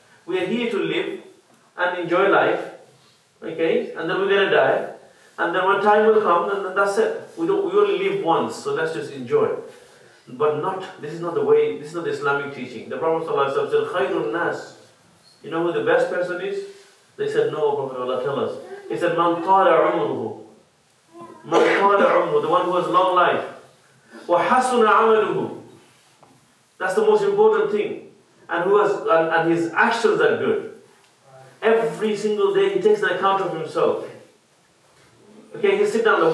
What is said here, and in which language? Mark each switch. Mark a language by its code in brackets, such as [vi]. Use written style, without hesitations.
[en] We are here to live and enjoy life, okay? And then we're going to die. And then when time will come, and that's it. We only live once, so let's just enjoy. But not, this is not the way, this is not the Islamic teaching. The Prophet ﷺ said, [ar] خَيْرُ النَّاسِ. [en] You know who the best person is? They said, no, Prophet Allah, tell us. He said, [ar] مَنْ طَالَ عُمُرُهُ. [en] The one who has long life. [ar] وَحَسُنَ عَمَلُهُ. [en] That's the most important thing. And who has, and his actions are good. Every single day he takes an account of himself. Okay, you sit down.